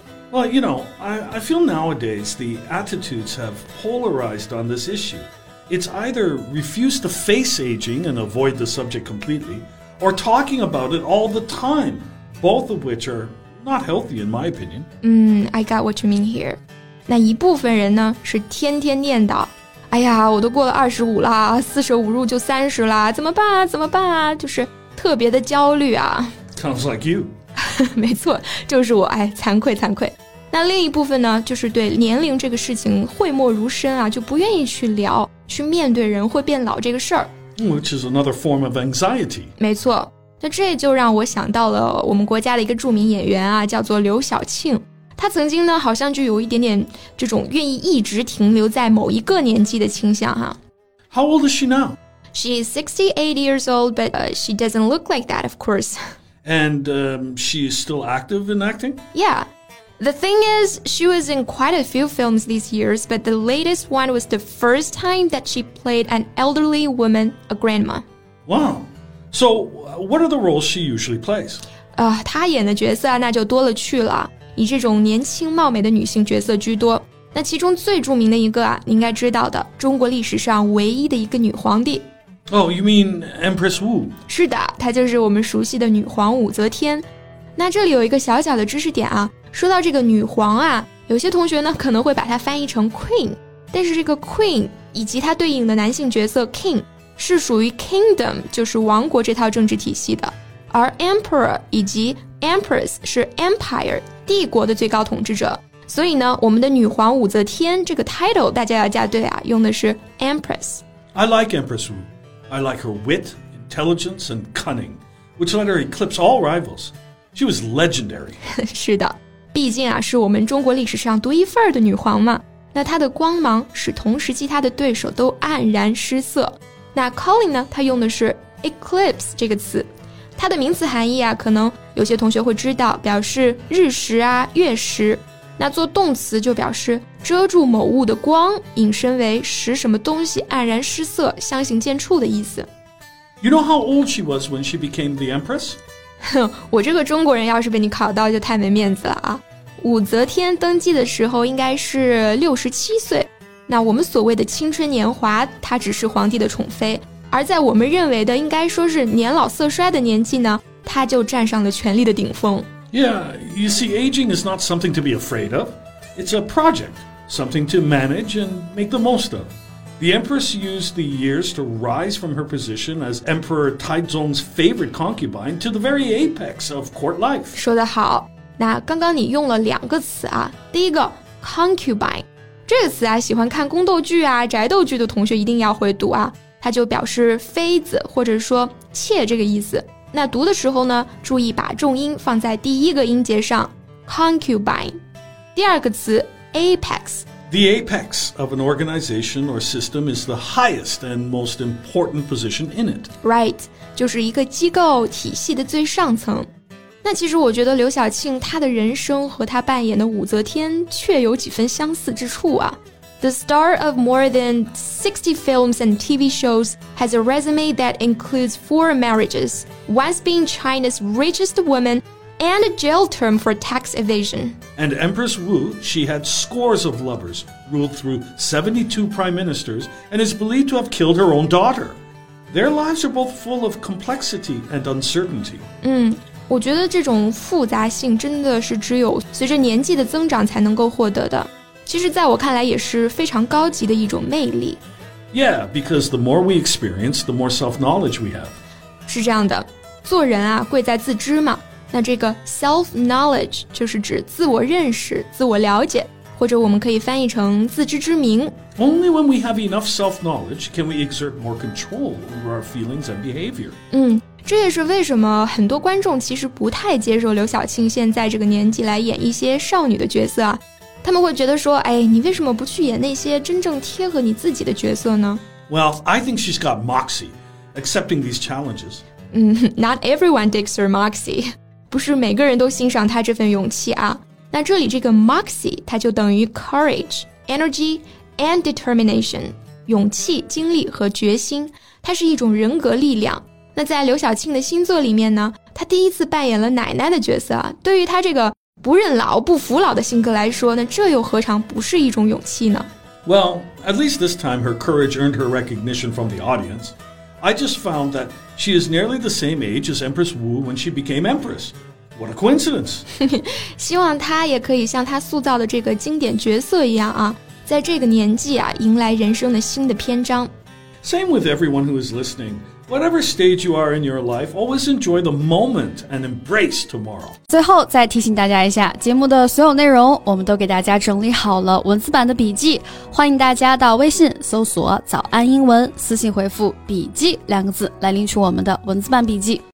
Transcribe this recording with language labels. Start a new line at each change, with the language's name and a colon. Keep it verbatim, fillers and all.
English: Well, you know, I, I feel nowadays the attitudes have polarized on this issue. It's either refuse to face aging and avoid the subject completely, or talking about it all the time, both of which are not healthy in my opinion. Mm, I got what you mean here.
Chinese: 那一部分人呢，是天天念叨，哎呀，我都过了二十五啦，四舍五入就三十啦，怎么办啊？怎么办啊？就是特别的焦虑啊。
English: Sounds like you.
Chinese: 没错，就是我，哎，惭愧惭愧。那另一部分呢，就是对年龄这个事情讳莫如深啊，就不愿意去聊，去面对人会变老这个事儿。
English: Which is another form of anxiety.
Chinese: 没错，那这就让我想到了我们国家的一个著名演员啊，叫做刘晓庆。他曾经呢，好像就有一点点这种愿意一直停留在某一个年纪的倾向哈。
English: How old is she now? She is sixty-eight years old, but、uh, she doesn't look like that, of course. And um, she is still active in acting? Yeah. The thing is, she was in quite a few films these years, but the latest one was the first time that she played an elderly woman, a grandma. Wow. So what are the roles she usually plays?
Chinese: 呃，她演的角色啊，那就多了去了，以这种年轻貌美的女性角色居多。那其中最著名的一个啊，你应该知道的，中国历史上唯一的一个女皇帝。
English: Oh, you mean Empress Wu?
Chinese: 是的，她就是我们熟悉的女皇武则天。那这里有一个小小的知识点啊，说到这个女皇啊，有些同学呢可能会把它翻译成 queen， 但是这个 queen 以及它对应的男性角色 king 是属于 kingdom， 就是王国这套政治体系的，而 emperor 以及 empress 是 empire 帝国的最高统治者。所以呢，我们的女皇武则天这个 title 大家要加对啊，用的是 empress。
English: I like Empress Wu. I like her wit, intelligence, and cunning, which let her eclipse all rivals. She was legendary.
Chinese: 是的，毕竟啊，是我们中国历史上独一份儿的女皇嘛。那她的光芒使同时期她的对手都黯然失色。那 Colin 呢，他用的是 eclipse 这个词，它的名词含义啊，可能有些同学会知道，表示日食啊、月食。那做动词就表示遮住某物的光，引申为使什么东西黯然失色、相形见绌的意思。
English: You know how old she was when she became the Empress?
Chinese: 哼，我这个中国人要是被你考到就太没面子了啊。武则天登基的时候应该是六十七岁，那我们所谓的青春年华，她只是皇帝的宠妃，而在我们认为的应该说是年老色衰的年纪呢，她就站上了权力的顶峰。
English: Yeah, you see, aging is not something to be afraid of. It's a project, something to manage and make the most of. The empress used the years to rise from her position as Emperor Taizong's favorite concubine to the very apex of court life.
Chinese: 说得好。那刚刚你用了两个词啊，第一个 concubine 这个词啊，喜欢看宫斗剧啊、宅斗剧的同学一定要会读啊，它就表示妃子或者说妾这个意思。那读的时候呢，注意把重音放在第一个音节上 concubine。第二个词 apex。
English: The apex of an organization or system is the highest and most important position in it. Right,
Chinese: 就是一个机构体系的最上层。那其实我觉得刘晓庆她的人生和她扮演的武则天确有几分相似之处啊。
English: The star of more than sixty films and T V shows has a resume that includes four marriages, once being China's richest woman and a jail term for tax evasion. And Empress Wu, she had scores of lovers, ruled through seventy-two prime ministers, and is believed to have killed her own daughter. Their lives are both full of complexity and uncertainty.
Chinese: 嗯。我觉得这种复杂性真的是只有随着年纪的增长才能够获得的，其实在我看来也是非常高级的一种魅力。
English: Yeah, because the more we experience, the more self-knowledge we have.
Chinese: 是这样的，做人啊，贵在自知嘛。那这个 self-knowledge 就是指自我认识、自我了解，或者我们可以翻译成自知之明。
English: Only when we have enough self-knowledge can we exert more control over our feelings and behavior.
Chinese: 嗯这也是为什么很多观众其实不太接受刘晓庆现在这个年纪来演一些少女的角色啊，他们会觉得说，哎，你为什么不去演那些真正贴合你自己的角色呢？
English: Well, I think she's got moxie, accepting these challenges. 嗯 Not everyone digs her moxie.
Chinese: 不是每个人都欣赏她这份勇气啊。那这里这个 moxie 它就等于
English: courage, energy and determination.
Chinese: 勇气、精力和决心，它是一种人格力量。那在刘晓庆的新作里面呢，她第一次扮演了奶奶的角色啊，对于她这个不认老不服老的性格来说呢，这又何尝不是一种勇气呢？
English: Well, at least this time her courage earned her recognition from the audience. I just found that she is nearly the same age as Empress Wu when she became Empress. What a coincidence!
Chinese: 希望她也可以像她塑造的这个经典角色一样啊，在这个年纪啊，迎来人生的新的篇章。
English: Same with everyone who is listening. Whatever stage you are in your life, always enjoy the moment and embrace tomorrow.
Chinese: 最后再提醒大家一下，节目的所有内容我们都给大家整理好了文字版的笔记，欢迎大家到微信搜索早安英文，私信回复笔记两个字来领取我们的文字版笔记。